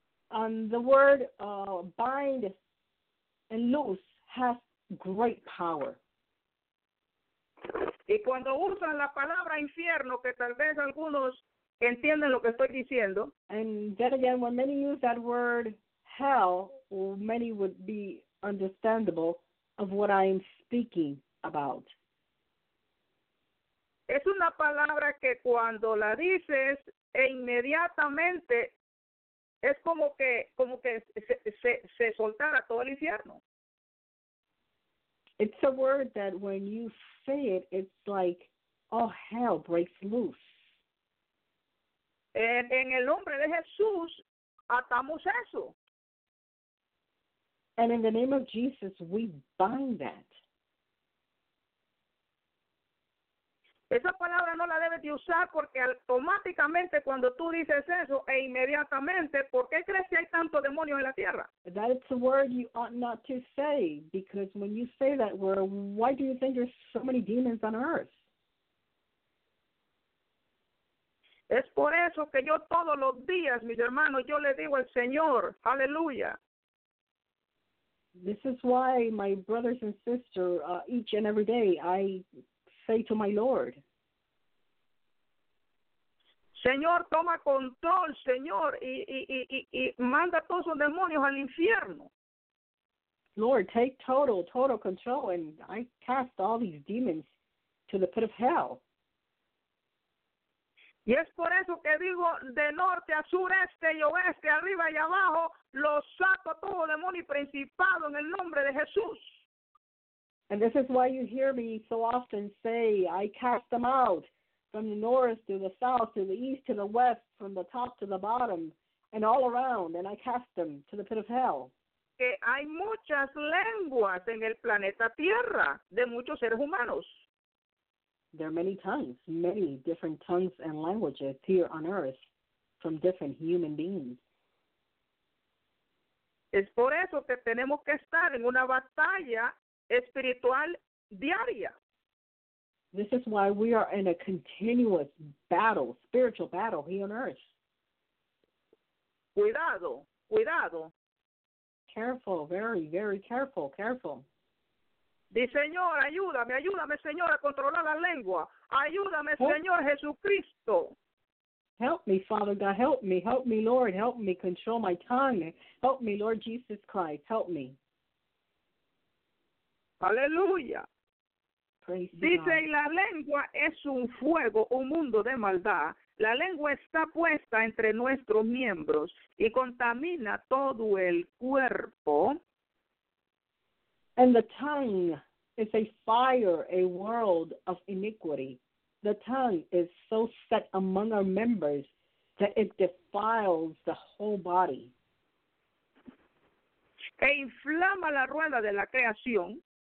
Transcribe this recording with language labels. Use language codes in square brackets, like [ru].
[en] And the word bind and loose has great power. [es] Y cuando usan la palabra infierno, que tal vez algunos entienden lo que estoy diciendo. [en] And then again, when many use that word hell, many would be understandable of what I'm speaking about. [es] Es una palabra que cuando la dices e inmediatamente es como que se soltara todo el infierno. [en] It's a word that when you say it, it's like all hell breaks loose. [es] En el nombre de Jesús, atamos eso. [en] And in the name of Jesus, we bind that. [es] Esa palabra no la debes de usar porque automáticamente cuando tú dices eso e inmediatamente, ¿por qué crees que hay tantos demonios en la tierra? [en] That's a word you ought not to say, because when you say that word, why do you think there's so many demons on earth? [es] Es por eso que yo todos los días, mis hermanos, yo le digo al Señor, aleluya. [en] This is why my brothers and sisters, each and every day, I say to my Lord, [es] Señor, toma control, Señor, y manda todos los demonios al infierno. [en] Lord, take total control, and I cast all these demons to the pit of hell. [es] Y es por eso que digo de norte a sur, este y oeste, arriba y abajo, los saco todo demonio y principado en el nombre de Jesús. [en] And this is why you hear me so often say, I cast them out from the north to the south, to the east to the west, from the top to the bottom, and all around, and I cast them to the pit of hell. [es] Que hay muchas lenguas en el planeta Tierra de muchos seres humanos. [en] There are many tongues, many different tongues and languages here on earth from different human beings. [es] Es por eso que tenemos que estar en una batalla espiritual diaria. [en] This is why we are in a continuous battle, spiritual battle here on earth. [es] Cuidado, cuidado. [en] Careful, very, very careful, careful. [es] Di, Señor, ayúdame, Señor, a controlar la lengua. Ayúdame, Señor Jesucristo. [en] Help me, Father God. Help me. Help me, Lord. Help me control my tongue. Help me, Lord Jesus Christ. Help me. [es] Aleluya. Dice, y la lengua es un fuego, un mundo de maldad. La lengua está puesta entre nuestros miembros y contamina todo el cuerpo. [en] And the tongue is a fire, a world of iniquity. The tongue is so set among our members that it defiles the whole body. [es] E inflama la rueda de la creación.